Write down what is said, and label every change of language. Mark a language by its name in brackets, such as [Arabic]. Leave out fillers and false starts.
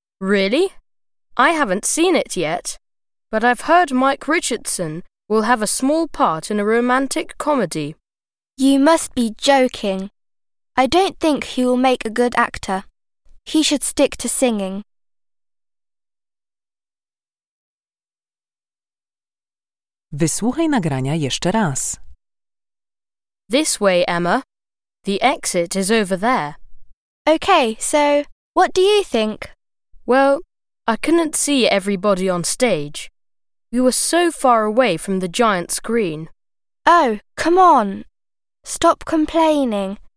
[English] Really? I haven't seen it yet. But I've heard Mike Richardson will have a small part in a romantic comedy. You must be joking. I don't think he will make a good actor. He should stick to singing. [Polish] Wysłuchaj nagrania jeszcze raz. [English] This way, Emma. The exit is over there. Okay, so what do you think? Well, I couldn't see everybody on stage. We were so far away from the giant screen. Oh, come on. Stop complaining.